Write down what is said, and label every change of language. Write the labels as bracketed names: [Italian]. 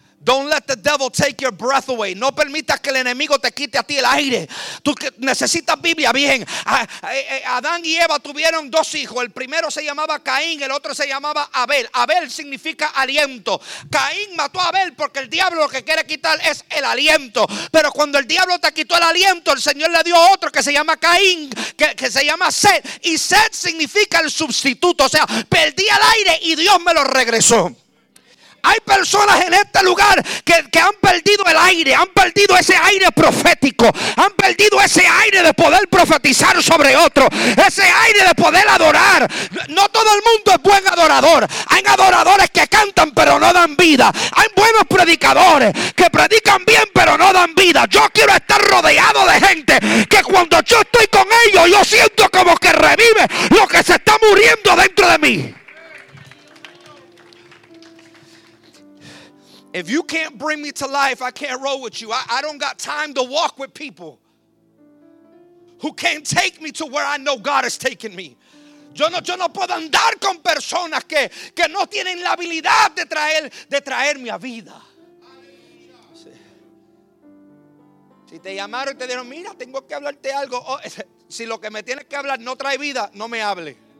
[English] Don't let the devil take your breath away. [Spanish] No permitas que el enemigo te quite a ti el aire. Tú necesitas Biblia, bien. Adán y Eva tuvieron dos hijos. El primero se llamaba Caín, el otro se llamaba Abel. Abel significa aliento. Caín mató a Abel porque el diablo lo que quiere quitar es el aliento. Pero cuando el diablo te quitó el aliento, el Señor le dio otro que se llama Caín, que se llama Set. Y Set significa el sustituto. O sea, perdí el aire y Dios me lo regresó. Hay personas en este lugar que han perdido el aire, han perdido ese aire profético, han perdido ese aire de poder profetizar sobre otro, ese aire de poder adorar. No todo el mundo es buen adorador. Hay adoradores que cantan pero no dan vida. Hay buenos predicadores que predican bien pero no dan vida. Yo quiero estar rodeado de gente que cuando yo estoy con ellos, yo siento como que revive lo que se está muriendo dentro de mí. [English] If you can't bring me to life, I can't roll with you. I don't got time to walk with people who can't take me to where I know God has taken me. [Spanish] Yo no puedo andar con personas que no tienen la habilidad de traerme a vida. Si te llamaron y te dijeron: mira, tengo que hablarte algo. Oh, si lo que me tienes que hablar no trae vida, no me hable.